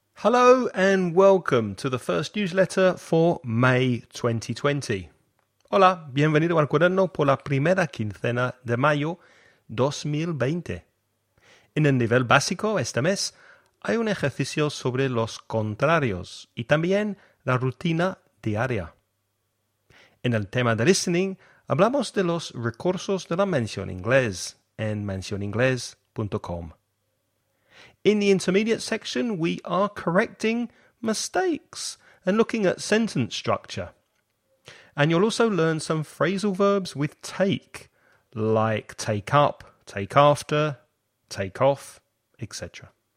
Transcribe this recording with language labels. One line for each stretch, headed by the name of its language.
English: Hello and welcome to the first newsletter for May 2020.
Spanish: Hola, bienvenido al cuaderno por la primera quincena de mayo 2020. En el nivel básico este mes hay un ejercicio sobre los contrarios y también la rutina diaria. En el tema de listening hablamos de los recursos de la mención inglés en mencioninglés.com.
English: In the intermediate section, we are correcting mistakes and looking at sentence structure. And you'll also learn some phrasal verbs with take, like take up, take after, take off, etc.